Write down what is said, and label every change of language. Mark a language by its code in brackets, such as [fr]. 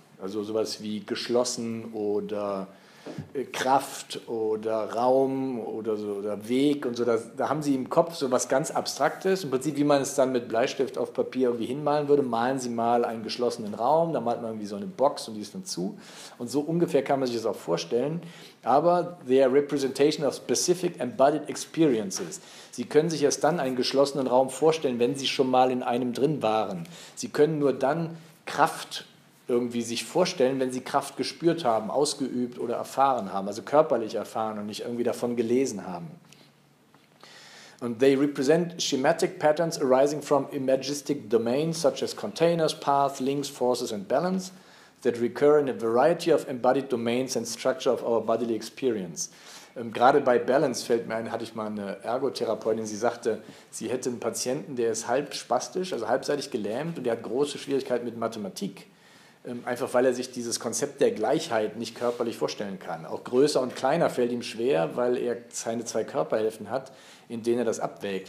[de] Also sowas wie geschlossen oder Kraft oder Raum oder so oder Weg und so. Da haben Sie im Kopf so was ganz Abstraktes. Im Prinzip, wie man es dann mit Bleistift auf Papier irgendwie hinmalen würde, malen Sie mal einen geschlossenen Raum, da malt man irgendwie so eine Box und die ist dann zu. Und so ungefähr kann man sich das auch vorstellen. Aber [en] they are representation of specific embodied experiences. [de] Sie können sich erst dann einen geschlossenen Raum vorstellen, wenn Sie schon mal in einem drin waren. Sie können nur dann Kraft irgendwie sich vorstellen, wenn sie Kraft gespürt haben, ausgeübt oder erfahren haben, also körperlich erfahren und nicht irgendwie davon gelesen haben. Und [en] they represent schematic patterns arising from imagistic domains such as containers, paths, links, forces and balance that recur in a variety of embodied domains and structure of our bodily experience. [de] Gerade bei Balance fällt mir ein, hatte ich mal eine Ergotherapeutin, sie sagte, sie hätte einen Patienten, der ist halb spastisch, also halbseitig gelähmt und der hat große Schwierigkeiten mit Mathematik. Einfach weil er sich dieses Konzept der Gleichheit nicht körperlich vorstellen kann. Auch größer und kleiner fällt ihm schwer, weil er seine zwei Körperhälften hat, in denen er das abwägt.